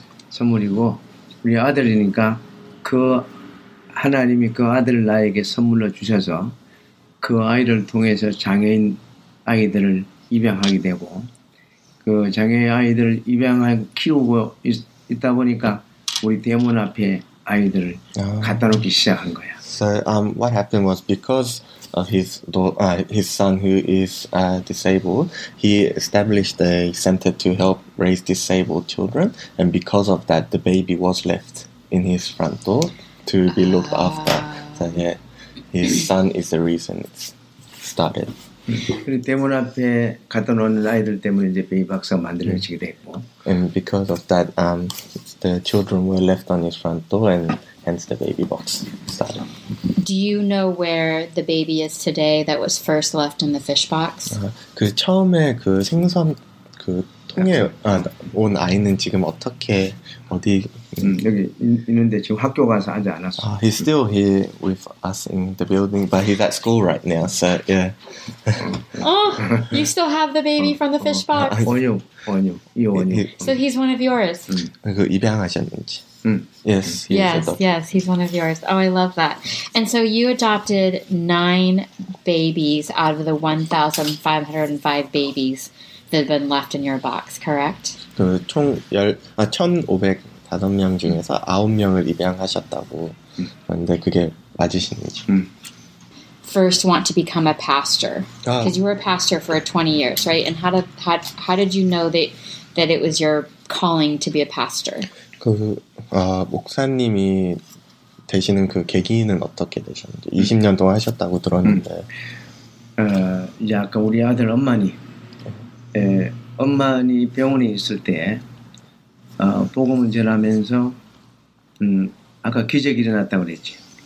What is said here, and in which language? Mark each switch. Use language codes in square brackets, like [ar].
[ko] 선물이고 우리 아들이니까 그 하나님이 그 아들을 나에게 선물로 주셔서 그 아이를 통해서 장애인 아이들을 입양하게 되고 그 장애인 아이들을 입양하고 키우고 있다 보니까 우리 대문 앞에 아이들을 갖다 놓기 시작한 거야. [en] So what happened was because of his son who is disabled, he established a center to help raise disabled children, and because of that, the baby was left in his front door to be looked after. So yeah. His son is the reason it started. [ko] 그리고 대문 앞에 갖다 놓는 아이들 때문에 이제 베이비 박스가 만들어지게 됐고. [en] And because of that, the children were left on his front door, and hence the baby box started. Do you know where the baby is today that was first left in the fish box? [ko] 그 처음에 그 생선 그 통에 온 아이는 지금 어떻게 어디 여기 있는데 지금 학교 가서 아직 안 왔어. [en] He's still here with us in the building, but he's at school right now. So yeah. Oh, you still have the baby from the fish box. [ko] 원유. [en] So he's one of yours. [ko] 그 입양하셨는지. Yes. [en] Yes. He's one of yours. Oh, I love that. And so you adopted 9 babies out of the 1,505 babies that have been left in your box, correct? [ko] 그 총 1,505명 중에서 9명을 입양하셨다고 그런데 그게 맞으신지. [en] First want to become a pastor. Because you were a pastor for 20 years, right? And how did you know that it was your calling to be a pastor? [ko] 그 목사님이 되시는 그 계기는 어떻게 되셨는지 20년 동안 하셨다고 들었는데 이제 아까 우리 아들 엄마니 엄마니 병원에 있을 때 복음을 전하면서 아까 기적이 일어났다고 그랬지.